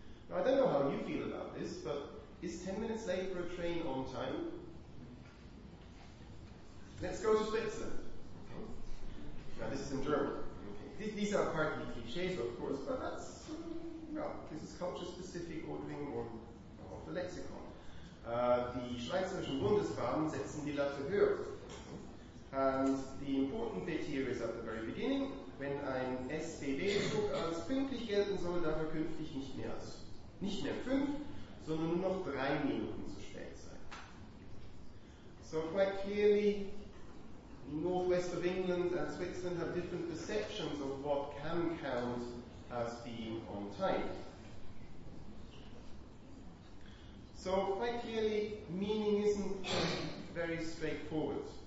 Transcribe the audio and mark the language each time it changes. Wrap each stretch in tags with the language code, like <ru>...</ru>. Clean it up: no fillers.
<en>Now, I don't know how you feel about this, but is 10 minutes late for a train on time? Let's go to Switzerland. Okay. Now, this is in German. Okay. These are partly clichés, of course, but that's, this is culture-specific ordering of the lexicon.</en> <de>Die Schweizerischen Bundesbahnen setzen die Latte höher.</de> <en>And the important bit here is at the very beginning,</en> <de>wenn ein SBB-Zug als pünktlich gelten soll, darf er künftig nicht mehr als nicht mehr 5, sondern nur noch 3 Minuten zu spät sein.</de> <en>So quite clearly, northwest of England and Switzerland have different perceptions of what can count as being on time. So quite clearly, meaning isn't very straightforward.</en>